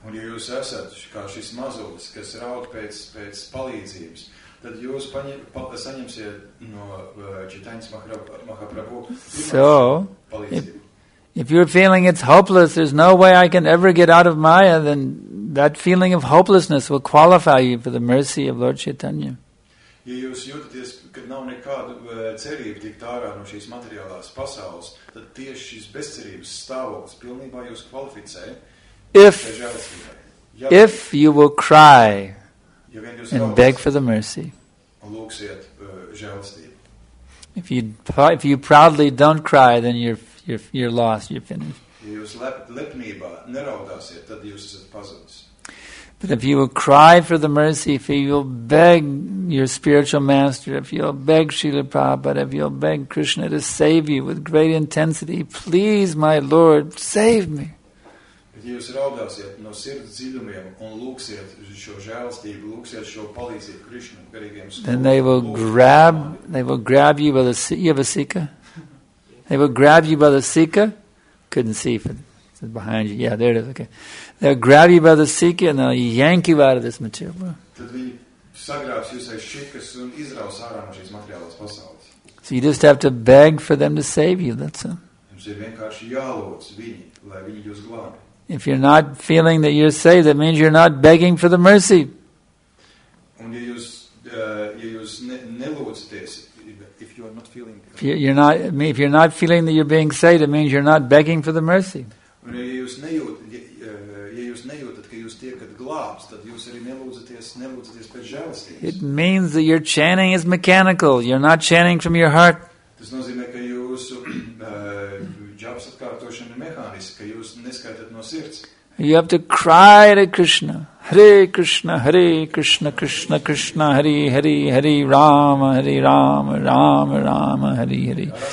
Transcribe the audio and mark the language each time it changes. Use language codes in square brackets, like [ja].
[lv] Un ja jūs esat kā šis mazulis, kas raud pēc palīdzības, tad jūs saņemsiet no Chaitanya Mahaprabhu. [en] So, if you're feeling it's hopeless, there's no way I can ever get out of Maya, then that feeling of hopelessness will qualify you for the mercy of Lord Chaitanya. [lv] Ja jūs jūtaties, kad nav nekādu cerību tikt ārā no šīs materiālās pasaules, tad tieši šis bezcerības stāvoklis pilnībā jūs kvalificē. [en] If you will cry and beg for the mercy, [lv] lūksiet žēlstību. [en] If you proudly don't cry, then you're lost, you're finished. [lv] Ja jūs lepnībā neraudāsiet, tad jūs esat pazudis. [en] But if you will cry for the mercy, if you will beg your spiritual master, if you will beg Srila Prabhupada, if you will beg Krishna to save you with great intensity, please, my Lord, save me. [lv] Bet jūs raudāsiet no sirds dziļumiem un lūksiet šo žēlstību, lūksiet šo palīdzību Krishna, garīgiem spēkiem. [en] Then they will grab you by the sika. They will grab you by the sika. Couldn't see if it's behind you. Yeah, there it is. Okay. They'll grab you by the sika and they'll yank you out of this material world. [lv] Tad viņi sagrābs jūs aiz šikas un izraus ārā no šīs materiālās pasaules. [en] So you just have to beg for them to save you, that's all. [lv] Jums ir vienkārši jālūdz viņi, lai viņi jūs glābj. [en] If you're not feeling that you're saved, that means you're not begging for the mercy. [lv] Un ja jūs, nelūdzaties, [en] if you are not feeling that. If you're not feeling that you're being saved, it means you're not begging for the mercy. [lv] Un ja jūs nejūtat, ka jūs tiekat glābs, tad jūs arī nelūdzaties pēc žēlstības. [en] It means that your chanting is mechanical. You're not chanting from your heart. [lv] Tas nozīmē, ka jūsu džaps atkārtošana ir mehāniska, ka jūs neskaitat no sirds. [en] You have to cry to Krishna. Hare Krishna, Hare Krishna, Krishna Krishna, Hare Hare, Hare Rama, Hare Rama, Rama Rama, Hare Hare.